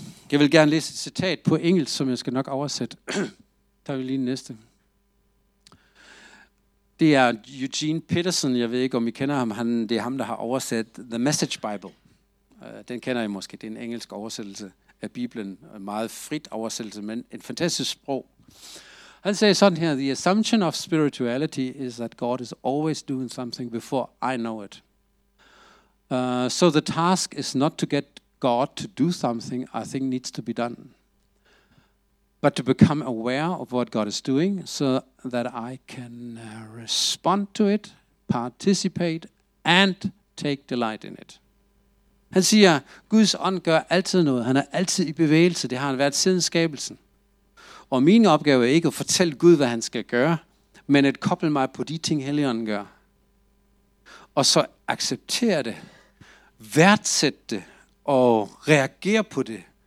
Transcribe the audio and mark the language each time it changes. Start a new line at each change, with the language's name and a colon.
Danish: Jeg vil gerne læse et citat på engelsk, som jeg skal nok oversætte. Der er vi lige næste. Det er Eugene Peterson. Jeg ved ikke, om I kender ham. Det er ham, der har oversat The Message Bible. Den kender I måske. Det er en engelsk oversættelse af Bibelen. En meget frit oversættelse, men en fantastisk sprog. Han siger sådan her:
English: The assumption of spirituality is that God is always doing something before I know it. So the task is not to get God to do something I think needs to be done, but to become aware of what God is doing so that I can respond to it, participate, and take delight in it.
Danish: Han siger, Guds ånd gør altid noget. Han er altid i bevægelse. Det har han været siden skabelsen. Og min opgave er ikke at fortælle Gud, hvad han skal gøre, men at koble mig på de ting, Helligånden gør. Og så acceptere det, værdsætte det og reagere på det.